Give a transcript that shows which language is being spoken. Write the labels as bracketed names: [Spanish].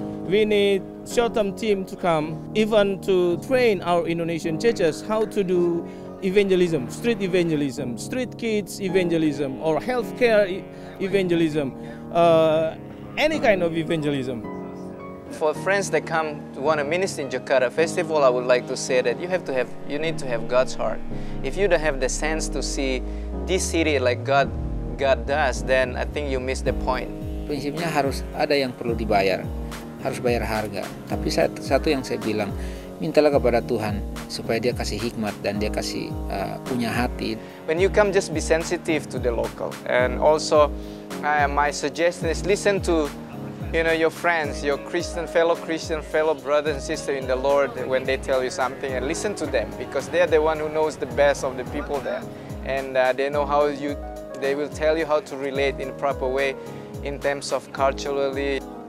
[English] We need short-term team to come, even to train our Indonesian churches how to do evangelism, street kids evangelism, or healthcare evangelism, any kind of evangelism. For friends that come to want to minister in Jakarta, first of all, I would like to say that you need to have God's heart. If you don't have the sense to see this city like God does, then I think you miss the point. [Indonesian] Prinsipnya harus ada yang perlu dibayar. Harus bayar harga. Tapi satu yang saya bilang, mintalah kepada Tuhan supaya Dia kasih hikmat dan Dia kasih punya hati. [English] When you come, just be sensitive to the local. And also, my suggestion is listen to, you know, your friends, your Christian, fellow brothers and sisters in the Lord, when they tell you something, and listen to them, because they are the one who knows the best of the people there, and they know how you, they will tell you how to relate in a proper way, in terms of culturally.